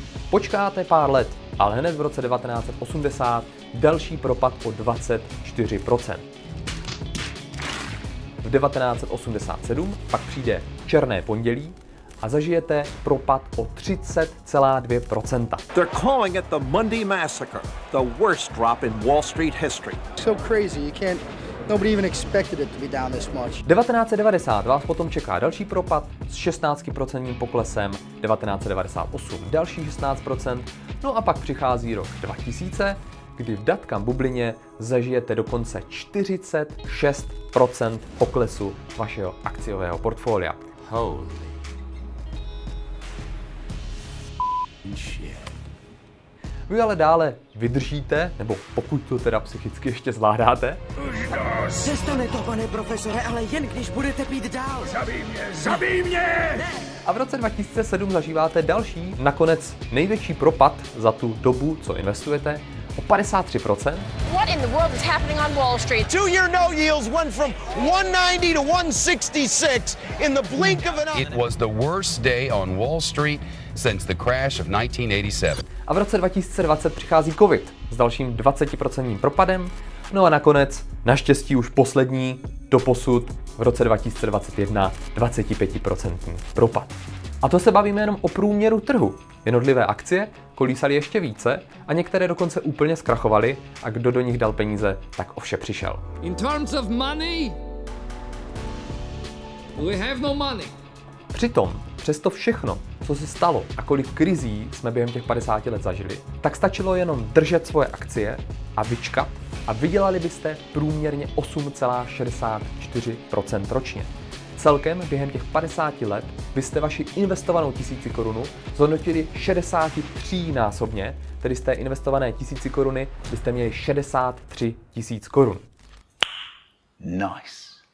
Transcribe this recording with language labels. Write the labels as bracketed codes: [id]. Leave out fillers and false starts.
[cs] Počkáte pár let, ale hned v roce 1980 další propad o 24%. V 1987 pak přijde černé pondělí a zažijete propad o 30,2%. [en] They're calling it the Monday Massacre, the worst drop in Wall Street history. So crazy, you can't, nobody even expected it to be down this much. [cs] 1990 vás potom čeká další propad s 16% poklesem, 1998 další 16%, no a pak přichází rok 2000, kdy v dotcom bublině zažijete dokonce 46% poklesu vašeho akciového portfolia. [en] Holy shit. [cs] Vy ale dále vydržíte, nebo pokud to teda psychicky ještě zvládáte. Přestane to, pane profesore, ale jen když budete pít dál. Zabij mě! Ne. A v roce 2007 zažíváte další, nakonec největší propad za tu dobu, co investujete, o 53%. [en] What in the world is happening on Wall Street? 2-year note yields went from 190 to 166 in the blink of an eye. It was the worst day on Wall Street since the crash of 1987. [cs] A v roce 2020 přichází COVID s dalším 20% propadem. No a nakonec, naštěstí už poslední doposud v roce 2021 25% propad. A to se bavíme jenom o průměru trhu. Jednotlivé akcie kolísaly ještě více a některé dokonce úplně zkrachovaly a kdo do nich dal peníze, tak o vše přišel. [en] In terms of money, we have no money. [cs] Přitom, přesto všechno, co se stalo a kolik krizí jsme během těch 50 let zažili, tak stačilo jenom držet svoje akcie a vyčkat a vydělali byste průměrně 8,64% ročně. Celkem během těch 50 let byste vaši investovanou 1000 korun zhodnotili 63 násobně, tedy z té investované 1000 koruny byste měli 63 tisíc korun. [en] Nice.